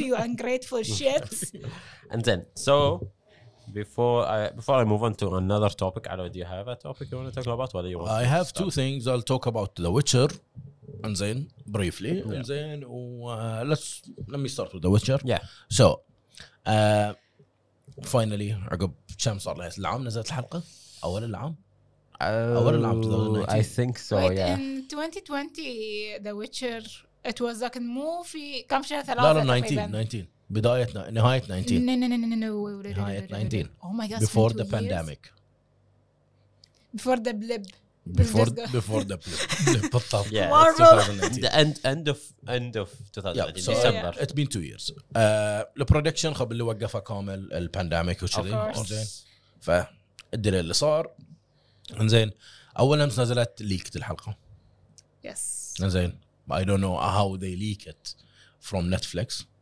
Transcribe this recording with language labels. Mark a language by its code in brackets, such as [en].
[en] You ungrateful shit. And then so. Before I move on to another topic, Ali, do you have a topic you want to talk about? What do you want? I have two things. I'll talk about The Witcher, and then briefly, and then let me start with The Witcher. Yeah. [ar] So, finally, عقب كم صار لها العام نزلت الحلقة أول العام. أول العام [en] 2019. I think so. Wait, yeah. In 2020, The Witcher it was like a movie. [ar] كم شهر ثلاثة؟ لا 19. بداية نهاية 19 [en] نهاية 19 Oh my God, before the pandemic before the blip before the put up. Yeah, 2019. The end of 2019. Yeah, so December. It's been 2 years. The production [ar] خب اللي وقفه كامل ال [en] pandemic [ar] وشذي. [en] Of course. [ar] فا الدليل اللي صار. إنزين. أول أمس نزلت ليكت الحلقة. [en] Yes. [ar] إنزين. [en] I don't know how they leak it from Netflix.